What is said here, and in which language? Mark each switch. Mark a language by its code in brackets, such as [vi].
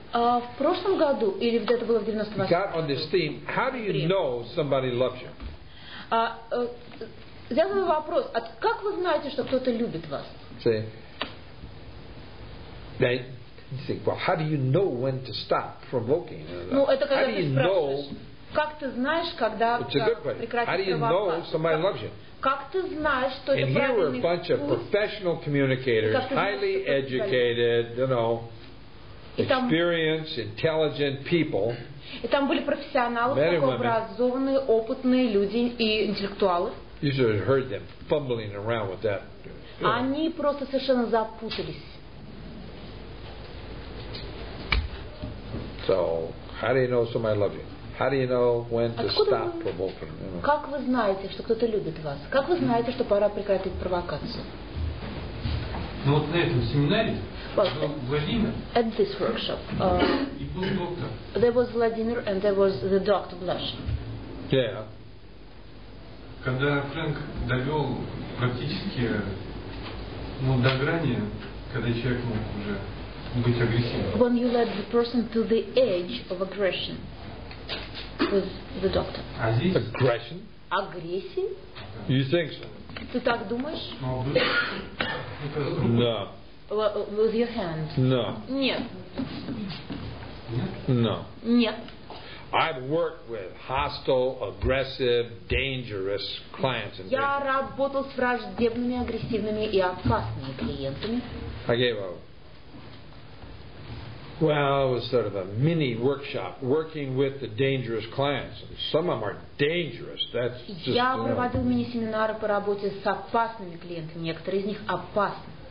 [ru] В прошлом году или где-то было в 98. [en] Got on this theme. How do you know somebody loves you? [ru] Задаю вопрос. А как вы знаете, что кто-то любит вас? [en] See. They think. Well, how do you know when to stop provoking? [ru] Ну, это когда ты спрашиваешь. [en] How do you know [ru] Как ты знаешь, когда прекратится вопрос? Как ты знаешь, что это правильный вкус? [en] And here were a bunch of professional communicators, highly educated, you know, experienced, intelligent people. [ru] И там были профессионалы, образованные, опытные люди и интеллектуалы. [en] You should have heard them fumbling around with that. [ru] Они просто совершенно запутались. [en] So, how do you know somebody loves you? How do you know when to stop provoking? [ru] Как вы знаете, что кто-то любит вас? Как вы знаете, что пора прекратить провокацию? Ну вот на этом семинаре Владимир. [en] At this workshop. [ru] И был доктор. [en] There was Vladimir and there was the doctor Blush. Yeah. [ru] Когда Фрэнк довел практически, ну, до грани, когда человек мог уже быть агрессивным. [en] When you led the person to the edge of aggression. With the doctor. Aggression? Aggression? You think so? [ru] Ты так думаешь? [en] No. With your hand? No. [ru] Нет. [en] No. [ru] Нет. [en] I've worked with hostile, aggressive, dangerous clients. [ru] Я работал с враждебными, агрессивными и опасными клиентами. [en] I gave up. Well, it was sort of a mini workshop working with the dangerous clients. Some of them are dangerous. That's just. [ru] Я проводил мини-семинары по работе с опасными клиентами. Некоторые из них опасны.